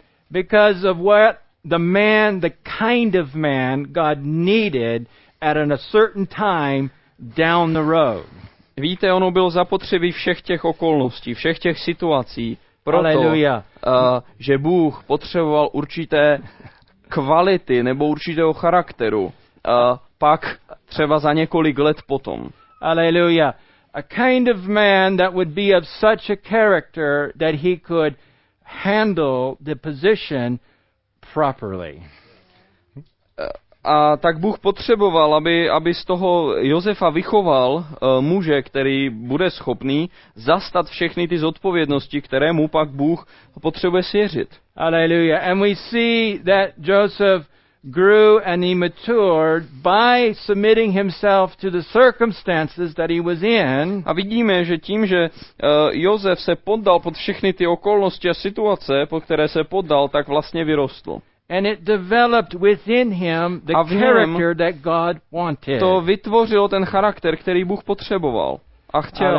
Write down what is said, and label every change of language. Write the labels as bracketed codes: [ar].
[en] Because of what the man, the kind of man God needed at a certain time down the road. [cs] Víte, ono bylo zapotřebí všech těch okolností, všech těch situací, proto, Alleluja. Že Bůh potřeboval určité kvality nebo určitého charakteru, pak třeba za několik let potom. Alleluja. [en] A kind of man that would be of such a character that he could handle the position properly. [cs] A tak Bůh potřeboval, aby z toho Josefa vychoval muže, který bude schopný zastat všechny ty zodpovědnosti, které mu pak Bůh potřebuje svěřit. Hallelujah. [en] And we see that Joseph grew and he matured by submitting himself to the circumstances that he was in. [cs] A vidíme, že tím, že Josef se poddal pod všechny ty okolnosti a situace, pod které se poddal, tak vlastně vyrostl. [en] And it developed within him the character that God wanted. [cs] To vytvořilo ten charakter, který Bůh potřeboval a chtěl.